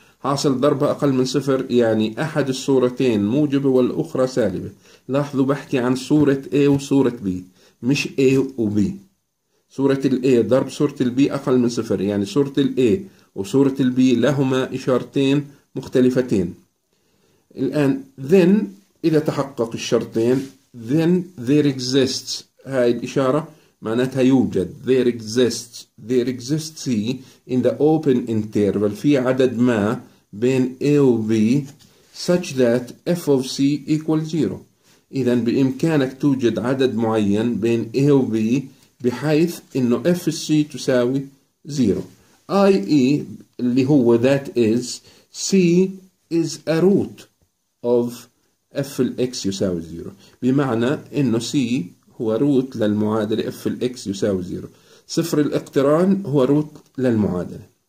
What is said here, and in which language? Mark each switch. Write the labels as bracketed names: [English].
[Arabic] حاصل ضربها أقل من صفر يعني أحد الصورتين موجبة والأخرى سالبة. لاحظوا بحكي عن صورة A وصورة B مش A و B، صورة الـ A ضرب صورة الـ B أقل من صفر، يعني صورة الـ A وصورة الـ B لهما إشارتين مختلفتين. الآن [English] then [Arabic] إذا تحقق الشرطين [English] then there exists، [Arabic] هاي الإشارة معناتها يوجد، [English] there exists C in the open interval، [Arabic] في عدد ما بين A و B [English] such that F of C equals 0. [Arabic] إذن بإمكانك توجد عدد معين بين A و B بحيث إنه F C تساوي 0. [English] i.e. [Arabic] اللي هو [English] that is C is a root of F [Arabic] ال X يساوي 0، بمعنى إنه C هو root للمعادلة F ال X يساوي 0، صفر الاقتران هو root للمعادلة.